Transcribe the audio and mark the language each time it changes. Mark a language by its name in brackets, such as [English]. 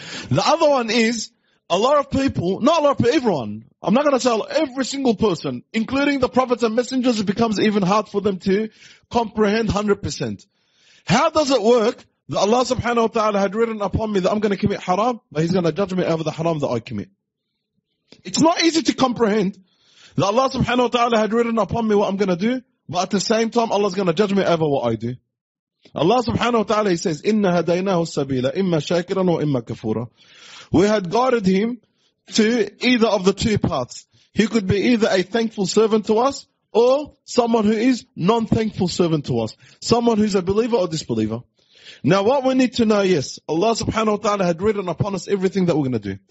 [English] The other one is, a lot of people, not a lot of people, everyone, I'm not going to tell every single person, including the prophets and messengers, it becomes even hard for them to comprehend 100%. How does it work that Allah subhanahu wa ta'ala had written upon me that I'm going to commit haram, but He's going to judge me over the haram that I commit? It's not easy to comprehend that Allah subhanahu wa ta'ala had written upon me what I'm going to do, but at the same time, Allah's going to judge me over what I do. Allah subhanahu wa ta'ala, He says, [Arabic] إِنَّ هَدَيْنَاهُ السَّبِيلَ إِمَّا شَاكِرًا وَإِمَّا كَفُورًا. [English] We had guided him to either of the two paths. He could be either a thankful servant to us or someone who is non-thankful servant to us. Someone who's a believer or disbeliever. Now what we need to know, yes, Allah subhanahu wa ta'ala had written upon us everything that we're going to do.